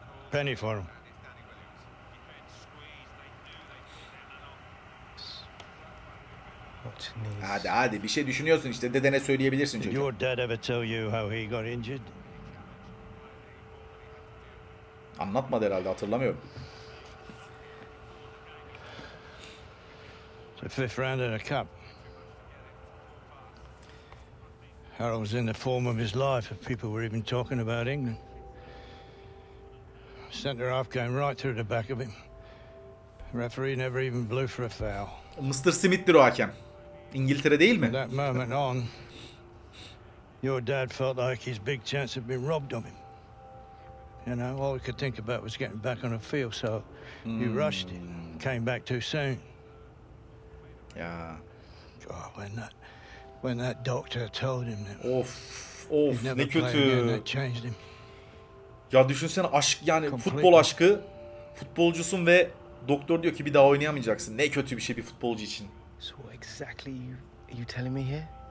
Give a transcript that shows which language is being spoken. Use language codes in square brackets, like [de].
[en] Penny for him. [tr] Hadi hadi, bir şey düşünüyorsun işte, dedene söyleyebilirsin çocuğum. [en] Your dad ever tell you how he got injured? [tr] Anlatmadı herhalde, hatırlamıyorum. [en] The fifth round in a cup. Harold was in the form of his life. If people were even talking about England. Center half came right through the back of him. Referee never even blew for a foul. [tr] Mr. Smith'tir o hakem. İngiltere değil mi? [en] That moment on, your dad felt like his big chance had been robbed of him. You know, all he could think about was getting back on the field, so he rushed it, came back too soon. Yeah. God, when that doctor told him that. Of, he'd never [tr] ne kötü. [en] Again, that changed him. [tr] Ya düşünsene aşk, yani futbol aşkı, futbolcusun ve doktor diyor ki bir daha oynayamayacaksın. Ne kötü bir şey bir futbolcu için. [en] So what exactly are you telling me here?